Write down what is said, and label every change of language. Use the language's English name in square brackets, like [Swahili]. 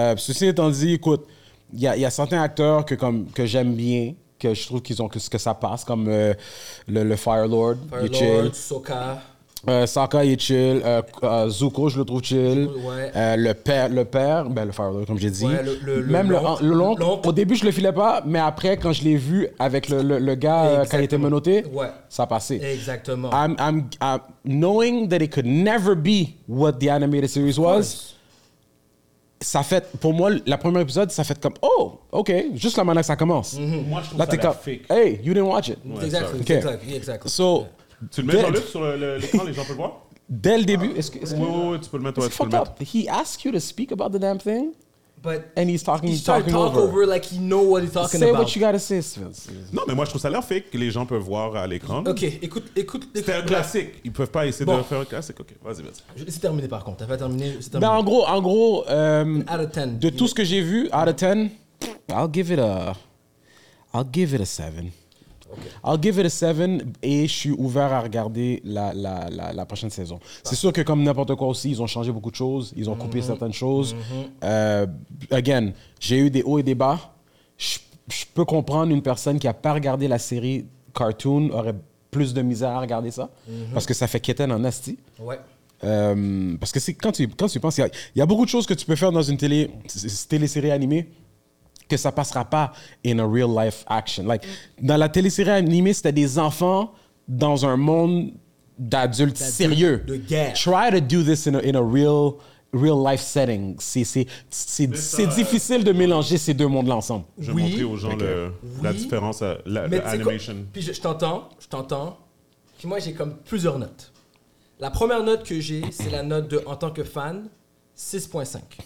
[French] Ceci étant dit, écoute, il y a certains acteurs que j'aime bien, que je trouve qu'ils ont que ça passe, comme le Fire Lord. Fire Lord, Sokka. Sokka, il est chill. Zuko, je le trouve chill. Ouais. Le père, ben le Fire Lord, comme j'ai dit. Ouais, l'oncle. Au début, je le filais pas, mais après, quand je l'ai vu avec le gars quand il était menotté, ouais. Ça passait. Exactement. [English] I'm knowing that it could never be what the animated series was. [French] Ça fait, pour moi, la première épisode, ça fait comme, oh, OK, juste la manière que ça commence. Mm-hmm. Moi, je trouve là, ça comme, fake. [English] Hey, you didn't watch it. [French] Ouais, [English] exactly. Okay. Exactly. So, yeah. [French] Tu le mets en sur l'écran, les gens peuvent le voir. Dès le début, est-ce que oui, tu peux le mettre, ouais, tu peux le mettre. [English] He asked you to speak about the damn thing, but and he's talking over like he know what he's talking say about. Say what you gotta say, Sven. [French] Non, mais moi je trouve ça l'air fake que les gens peuvent voir à l'écran. Ok, écoute. C'est un classique. Ils peuvent pas essayer de faire un classique. Ok, vas-y. C'est terminé par contre. T'as pas terminé. Ben en gros. [English] Out of 10. [French] De tout ce que j'ai vu, [English] out of 10, I'll give it a 7. Okay. I'll give it a 7 [French] et je suis ouvert à regarder la prochaine saison. Ça. C'est sûr que comme n'importe quoi aussi, ils ont changé beaucoup de choses, ils ont coupé certaines choses. [English] Again, [French] j'ai eu des hauts et des bas. Je peux comprendre une personne qui n'a pas regardé la série cartoon aurait plus de misère à regarder ça parce que ça fait quétain en asti. Ouais. Parce que c'est, quand tu penses, il y a beaucoup de choses que tu peux faire dans une télésérie animée que ça passera pas [English] in a real life action. Like, [French] dans la télésérie animée, c'était des enfants dans un monde d'adultes sérieux. De guerre. [English] Try to do this in a real life setting. [French] C'est difficile de mélanger ces deux mondes-là ensemble. Je vais montrer aux gens la différence, l'animation. Puis je t'entends. Puis moi, j'ai comme plusieurs notes. La première note que j'ai, c'est la note de, en tant que fan, 6.5.